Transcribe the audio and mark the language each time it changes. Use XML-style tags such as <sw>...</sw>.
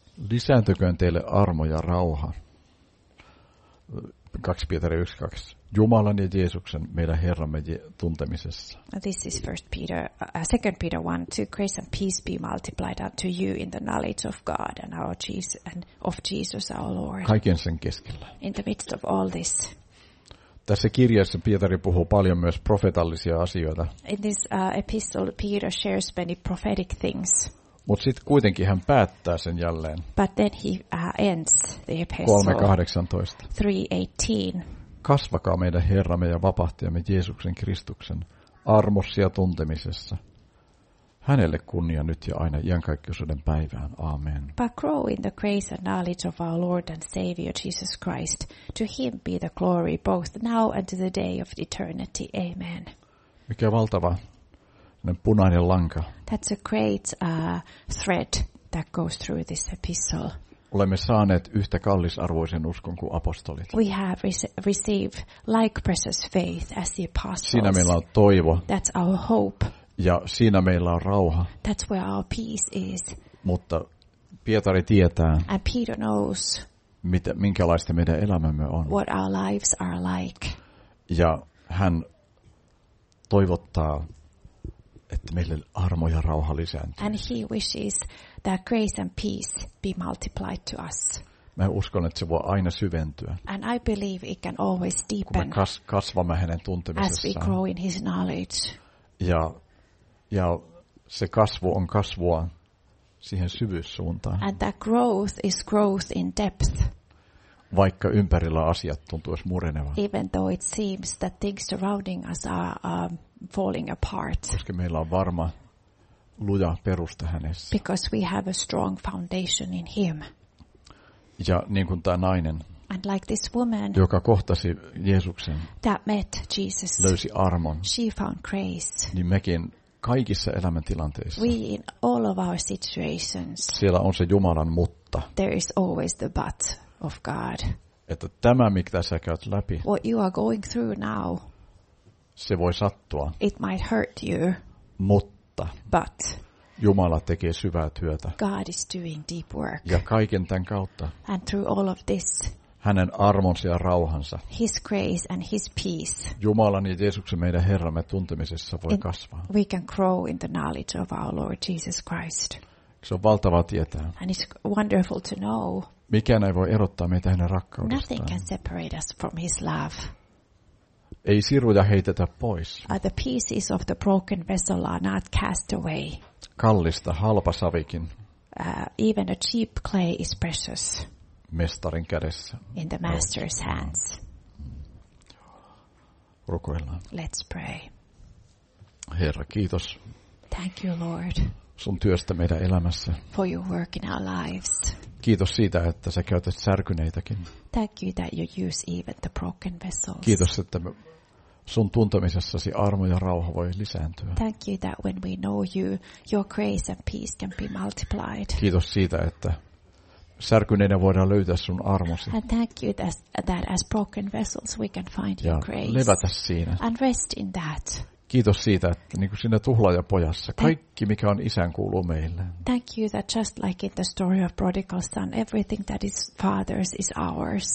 <fi>Lisääntyköön teille armo ja rauha. 2 Pietari 1:2. Jumalan ja Jeesuksen meidän Herramme tuntemisessa.</fi> <en>This is 2 Peter 1:2. Grace and peace be multiplied unto you in the knowledge of God and our Jesus and of Jesus our Lord.</en> <fi>Kaiken sen keskellä.</fi> <en>In the midst of all this.</en> <fi>Tässä kirjassa Pietari puhuu paljon myös profetallisia asioita.</fi> <en>In this epistle Peter shares many prophetic things.</en> <fi>Mut sitten kuitenkin hän päättää sen jälleen.</fi> <en>But then he ends the epistle.</en> <fi>3:18.</fi> <en>3:18.</en> <fi>Kasvakaa meidän Herramme ja vapahtajamme Jeesuksen Kristuksen armossa ja tuntemisessa. Hänelle kunnia nyt ja aina iankaikkisuuden päivään. Amen.</fi> <en>But grow in the grace and knowledge of our Lord and Savior Jesus Christ. To him be the glory both now and to the day of eternity. Amen.</en> <fi>Mikä valtava punainen lanka.</fi> <en>That's a great thread that goes through this epistle.</en> <fi>Olemme saaneet yhtä kallisarvoisen uskon kuin apostolit.</fi> <en>We have received like precious faith as the apostles.</en> <fi>Siinä meillä on toivo.</fi> <en>That's our hope.</en> <fi>Ja siinä meillä on rauha.</fi> <en>That's where our peace is.</en> <fi>Mutta Pietari tietää.</fi> <en>And Peter knows.</en> <fi>Mitä, minkälaista meidän elämämme on.</fi> <en>What our lives are like.</en> <fi>Ja hän toivottaa, että meille armo ja rauha lisääntyy.</fi> <en>And he wishes that grace and peace be multiplied to us.</en> <fi>Mä uskon, että se voi aina syventyä.</fi> <en>And I believe it can always deepen.</en> <fi>Kun me kasvamme hänen tuntemisessaan.</fi> <en>As we grow in his knowledge.</en> <fi>Ja se kasvu on kasvua siihen syvyyssuuntaan.</fi> <en>And that growth is growth in depth.</en> <fi>Vaikka ympärillä asiat tuntuisi murenevan.</fi> <en>Even though it seems that things surrounding us are falling apart.</en> <fi>Koska meillä on varma, luja perusta hänessä.</fi> <en>Because we have a strong foundation in him.</en> <fi>Ja niin kuin tämä nainen,</fi> <en>and like this woman,</en> <fi>joka kohtasi Jeesuksen,</fi> <en>that met Jesus,</en> <fi>löysi armon,</fi> <en>she found grace.</en> <fi>Niin mekin kaikissa elämäntilanteissa,</fi> <en>we in all of our situations,</en> <fi>siellä on se Jumalan mutta.</fi> <en>There is always the but of God.</en> <fi>Että tämä, mikä sä käyt läpi,</fi> <en>what you are going through now,</en> <fi>se voi sattua.</fi> <en>It might hurt you.</en> <fi>Mutta.</fi> <en>But.</en> <fi>Jumala tekee syvää työtä.</fi> <en>God is doing deep work.</en> <fi>Ja kaiken tämän kautta.</fi> <en>And through all of this.</en> <fi>Hänen armonsa ja rauhansa.</fi> <en>His grace and his peace.</en> <fi>Jumalan ja Jeesuksen meidän Herramme tuntemisessa voi kasvaa.</fi> <en>We can grow in the knowledge of our Lord Jesus Christ.</en> <fi>Se on valtava tietää.</fi> <en>And it's wonderful to know.</en> <fi>Mikään ei voi erottaa meitä hänen rakkaudestaan.</fi> <en>Nothing can separate us from his love.</en> <fi>Ei siruja heitetä pois.</fi> <en>The pieces of the broken vessel are not cast away.</en> <fi>Kallista, halpa savikin.</fi> <en>Even a cheap clay is precious.</en> <fi>Mestarin kädessä.</fi> <en>In the master's hands.</en> <fi>Rukoillaan.</fi> <en>Let's pray.</en> <fi>Herra, kiitos.</fi> <en>Thank you, Lord.</en> <fi>Sun työstä meidän elämässä.</fi> <en>For your work in our lives.</en> <fi>Kiitos siitä, että sä käytät särkyneitäkin.</fi> <en>Thank you that you use even the broken vessels.</en> <fi>Kiitos, että sun tuntemisessasi armo ja rauha voi lisääntyä.</fi> <en>Thank you that when we know you, your grace and peace can be multiplied.</en> <fi>Kiitos siitä, että särkyneinä voidaan löytää sun armosi.</fi> <en>And thank you that as broken vessels we can find your grace.</en> <fi>Ja levätä siinä.</fi> <en>And rest in that.</en> <fi>Kiitos siitä, että niin kuin siinä tuhlaajapojassa, kaikki mikä on isän kuuluu meille.</fi> <en>Thank you that just like in the story of prodigal son, everything that is father's is ours.</en>